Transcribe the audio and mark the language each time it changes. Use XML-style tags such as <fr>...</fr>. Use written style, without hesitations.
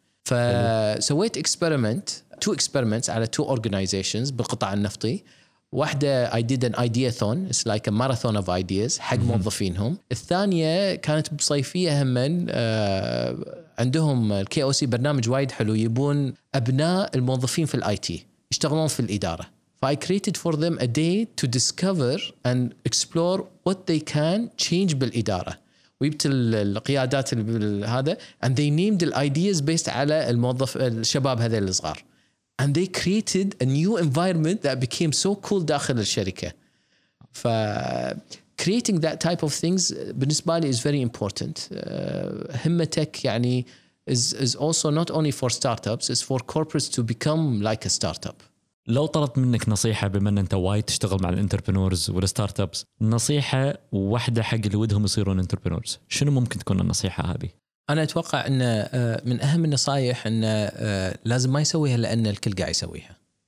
<ar>فسويت</ar> <en>experiment، two experiments</en> <ar>على</ar> <en>two organizations</en> <ar>بالقطاع النفطي. واحدة</ar> <en>I did an ideathon، it's like a marathon of ideas</en> <ar>حق موظفينهم. الثانية كانت بصيفية همن، عندهم الكي او سي برنامج وايد حلو، يبون أبناء الموظفين في الاي تي يشتغلون في الإدارة.</ar> <en>I created for them a day to discover and explore what they can change</en> <ar>بالإدارة. ويبت القيادات هذا</ar> <en>and they named the ideas based</en> <ar>على الموظف الشباب هذي الصغار.</ar> <en>And they created a new environment that became so cool</en> <ar>داخل الشركة.</ar> <en>ف creating that type of things</en> <ar>بالنسبة لي</ar> <en>is very important.</en> <ar>همتك يعني</ar> <en>is also not only for startups, it's for corporates to become like a startup.</en> <ar>لو طلبت منك نصيحة، بما أن أنت وايد تشتغل مع الانتربنورز والستارتابس، نصيحة واحدة حق اللي ودهم يصيرون انتربنورز، شنو ممكن تكون النصيحة هذه؟ أنا أتوقع أن من أهم النصائح أن لازم ما يسويها لأن الكل قاعد يسويها.</ar>